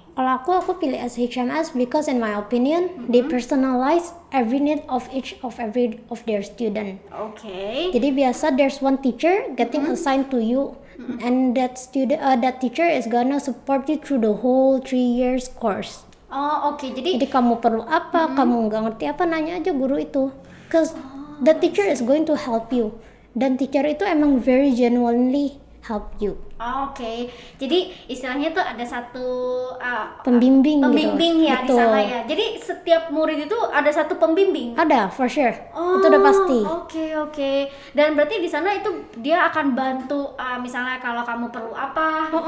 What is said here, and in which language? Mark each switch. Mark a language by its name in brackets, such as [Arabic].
[Indonesian] Kalau aku pilih [English] SHMS because in my opinion they personalize every need of each of every of their student. Okay. [Indonesian] Jadi biasa [English] there's one teacher getting assigned to you and that student that teacher is gonna support you through the whole 3 years course. Okay. [Indonesian] Jadi kamu perlu apa, kamu nggak ngerti apa, nanya aja guru itu. [English] Cause the teacher is going to help you. [Indonesian] Dan [English] teacher [Indonesian] itu emang [English] very genuinely help you. Okay. [Indonesian] Jadi istilahnya tuh ada satu pembimbing gitu. Ya, betul. Di sana ya. Jadi setiap murid itu ada satu pembimbing. Ada, [English] for sure. [Indonesian] Itu udah pasti. [English] Okay. [Indonesian] Dan berarti di sana itu dia akan bantu misalnya kalau kamu perlu apa?